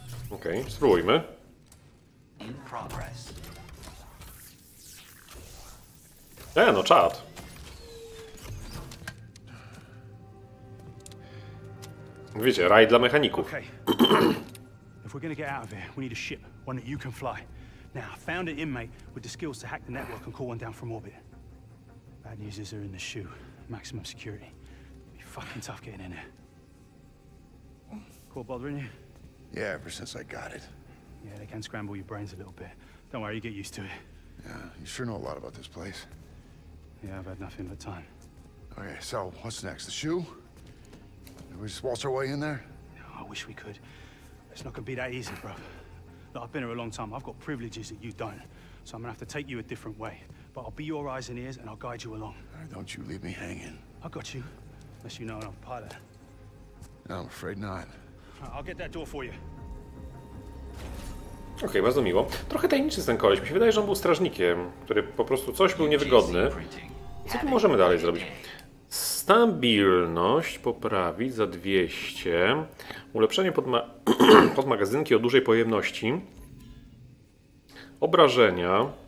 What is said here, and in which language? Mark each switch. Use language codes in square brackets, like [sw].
[pl] Okej, okay, spróbujmy. No czad. Wiecie, raj dla mechaników. [en] If we're gonna get out of here, we need a ship, one that you can fly. Now, I found an inmate with the skills to hack the network and call one down from orbit. Bad news is they're in the shoe. Maximum security. It'd be fucking tough getting in there. Cool bothering you? Yeah, ever since I got it. Yeah, they can scramble your brains a little bit. Don't worry, you get used to it. Yeah, you sure know a lot about this place. Yeah, I've had nothing but time. Okay, so what's next? The shoe? Can we just waltz our way in there? Oh, I wish we could. It's not gonna be that easy, bro. Look, I've been here a long time. I've got privileges that you don't. So I'm gonna have to take you a different way. But I'll be your eyes and ears, and I'll guide you along. All right, don't you leave me hanging. I got you. Unless you know I'm a pilot. No, I'm afraid not. I'll get that door for you. [pl] Okej, bardzo miło. Trochę tajemniczy ten koleś. Mi się wydaje, że on był strażnikiem, który po prostu coś był niewygodny. Co tu możemy dalej zrobić? Stabilność poprawić za 200. Ulepszenie pod magazynki o dużej pojemności. Obrażenia.